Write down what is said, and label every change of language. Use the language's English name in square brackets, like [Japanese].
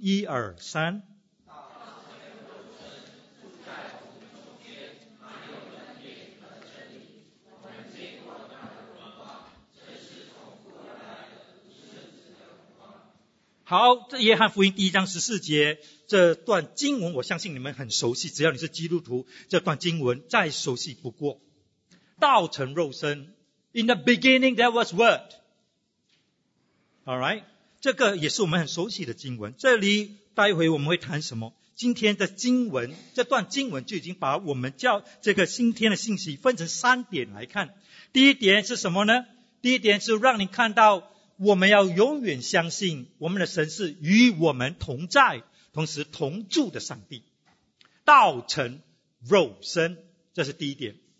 [Chinese] 一二三，好，这约翰福音第一章十四节这段经文我相信你们很熟悉，只要你是基督徒，这段经文再熟悉不过。道成肉身， [English] In the beginning there was word. [Chinese] Alright, 这个也是我们很熟悉的经文。这里待会我们会谈什么？今天的经文，这段经文就已经把我们叫这个今天的信息分成三点来看。第一点是什么呢？第一点是让你看到我们要永远相信我们的神是与我们同在同时同住的上帝，道成肉身，这是第一点。